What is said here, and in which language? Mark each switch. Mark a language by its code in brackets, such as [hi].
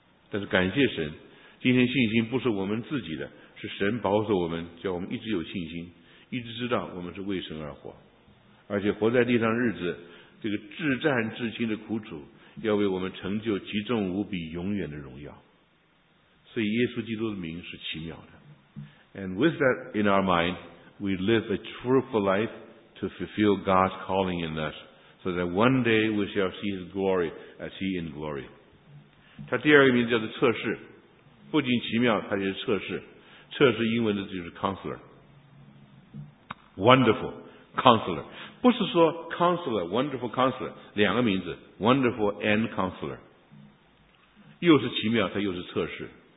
[zh] 但是感谢神，今天信心不是我们自己的，是神保守我们，叫我们一直有信心，一直知道我们是为神而活，而且活在地上的日子，这个至战至亲的苦楚要为我们成就极重无比永远的荣耀。所以耶稣基督的名是奇妙的。 [en] And with that in our mind, we live a truthful life to fulfill God's calling in us, so that one day we shall see His glory as He in glory. [zh] 它第二个名字叫做测试，不仅奇妙，它也是测试。测试英文的就是 counselor， wonderful counselor， 不是说 counselor， wonderful counselor， 两个名字， wonderful and counselor， 又是奇妙，它又是测试。